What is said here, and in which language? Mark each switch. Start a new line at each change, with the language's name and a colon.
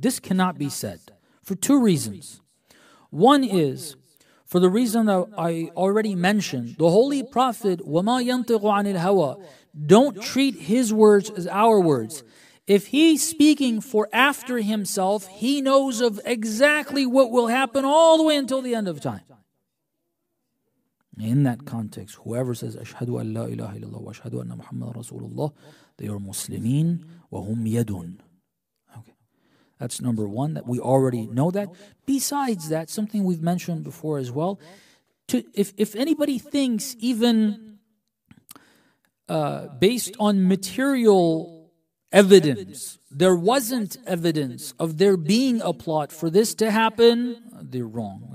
English: This cannot be said for two reasons. One is, for the reason that I already mentioned, the Holy Prophet,
Arabic: وَمَا يَنْطِقُ عَنِ الْهَوَىٰ,
English: don't treat his words as our words. If he's speaking for after himself, he knows of exactly what will happen all the way until the end of time. In that context, whoever says,
Arabic: أَشْهَدُ أَنْ لَا إِلَهَ إِلَّا اللَّهُ وَأَشْهَدُ أَنَّ مُحَمَّدًا رَسُولُ اللَّهِ,
English: they are Muslimin,
Arabic: وَهُمْ يَدُونَ.
English: That's number one, that we already know that. Besides that, something we've mentioned before as well, if anybody thinks, even based on material evidence, there wasn't evidence of there being a plot for this to happen, they're wrong.